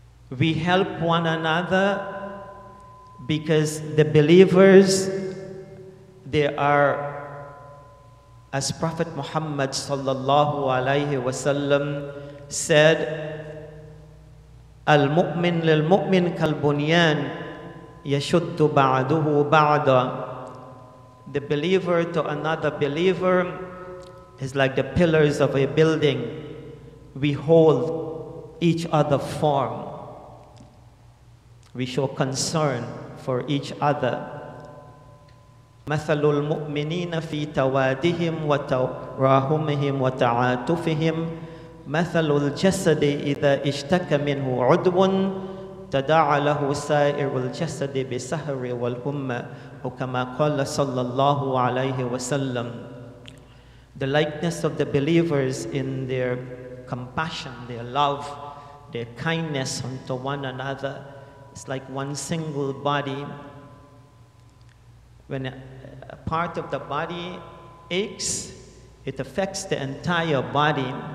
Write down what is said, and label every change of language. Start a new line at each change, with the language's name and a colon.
English: We help one another because the believers, they are, as Prophet Muhammad sallallahu alaihi wasallam said,
Arabic: "Al-mu'min lil-mu'min kal-bunyan yashuddu ba'duhu ba'da."
English: The believer to another believer is like the pillars of a building. We hold each other firm. We show concern for each other.
Arabic: مثل المؤمنين في توادهم وتراحمهم وتعاطفهم مثل الجسد إذا اشتكى منه عضو تداعى له سائر الجسد بسهر والهم وكما قال صلى الله عليه وسلم.
English: The likeness of the believers in their compassion, their love, their kindness unto one another is like one single body. When a part of the body aches, it affects the entire body.